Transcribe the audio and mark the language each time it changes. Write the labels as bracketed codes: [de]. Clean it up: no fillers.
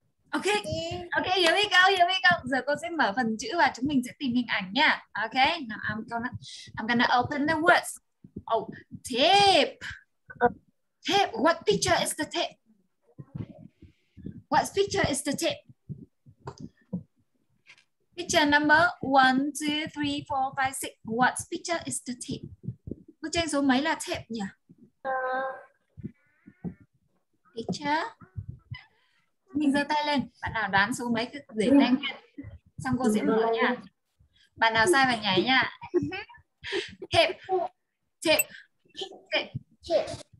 [en] Ok, here we go, here we go. [vi] Giờ cô sẽ mở phần chữ và chúng mình sẽ tìm hình ảnh nha. [en] Ok, now I'm gonna open the words. Oh, tape. Tape, what picture is the tape? What picture is the tape? Picture number 1, 2, 3, 4, 5, 6. What picture is the tape? [vi] Bức tranh số mấy là tape nhỉ? Picture. Mình giơ tay lên. Bạn nào đoán số mấy cứ để tay lên. Xong cô sẽ mở nha. Bạn nào sai phải nhảy nha. Tape. Tape. Tape.